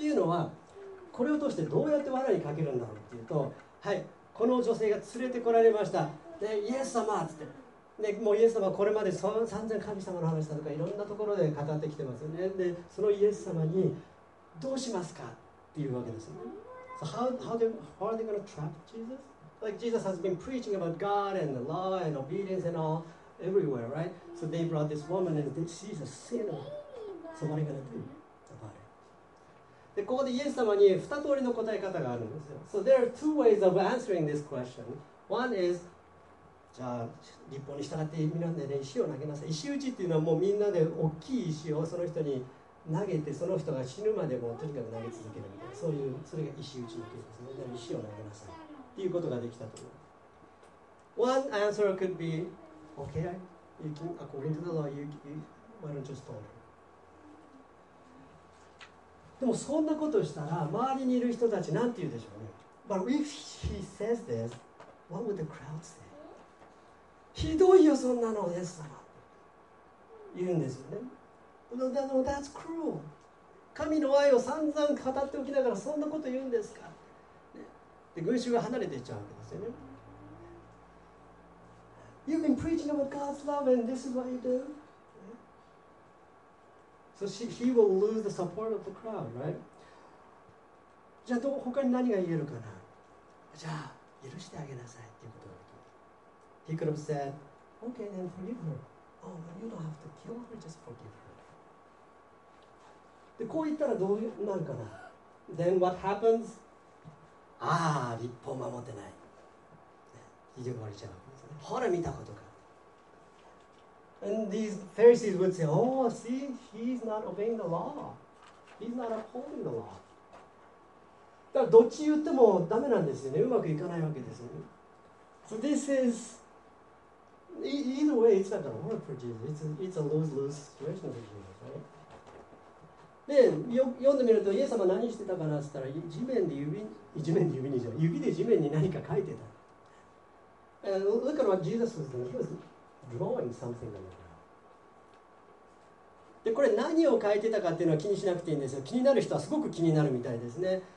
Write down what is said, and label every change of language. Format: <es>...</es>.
<ja>っていうのは、これを通してどうやって罠にかけるんだろうっていうと、はい、この女性が連れてこられました。で、イエス様って言って、ね、もうイエス様はこれまで散々神様の話だとかいろんなところで語ってきてますよね。で、そのイエス様にどうしますかっていうわけですよね。</ja> <en>So how are they going to trap Jesus? Like Jesus has been preaching about God and the law and obedience and all everywhere, right? So they brought this woman and she's a sinner. So what are you going to do?</en> <ja>で、ここでイエス様に二通りの答え方があるんですよ。</ja> <en>So there are two ways of answering this question. One is,</en> <ja>じゃあ立法に従ってみなんでね、石を投げなさい。石打ちっていうのはもうみんなで大きい石をその人に投げて、その人が死ぬまでもとにかく投げ続けるみたいな、そういう、それが石打ちの形ですね。だから石を投げなさいっていうことができたと思います。</ja> <en>One answer could be, okay, you can, according to the law, why don't you stone him?</en> <ja>でもそんなことしたら周りにいる人たちなんて言うでしょうね。</ja> <en>But if he says this, what would the crowd say?</en> <ja>ひどいよそんなのイエス様言うんですよね。</ja> <en>No, that's cruel.</en> <ja>神の愛を散々語っておきながらそんなこと言うんですか、ね、で群衆が離れていっちゃうわけですよね。</ja> <en>You've been preaching about God's love and this is what you do? So he will lose the support of the crowd, right?</en> <ja>じゃあ他に何が言えるかな。じゃあ許してあげなさいっていうことができる。</ja> <en>He could have said, "Okay, then forgive her." Oh, but you don't have to kill her. Just forgive her.</en> <ja>でこう言ったらどうなるかな。</ja> <en>Then what happens?</en> <ja>ああ、立法守ってない。ひどくなっちゃう。ほら見たことか。</ja> <en>And these Pharisees would say, Oh, see, he's not obeying the law. He's not upholding the law.</en> <ja>だからどっち言ってもダメなんですよね。うまくいかないわけですよね。</ja> <en>So this is, either way, it's not going to work for Jesus. It's a lose-lose situation for Jesus, right?</en> <ja>で、読んでみると、イエス様何してたかなって言ったら、指で地面に何か書いてた。</ja> <en>And look at what Jesus was doing. He wasDrawing something on the ground.</en> <ja>でこれ何を書いてたかっていうのは気にしなくていいんですよ。気になる人はすごく気になるみたいですね。</ja>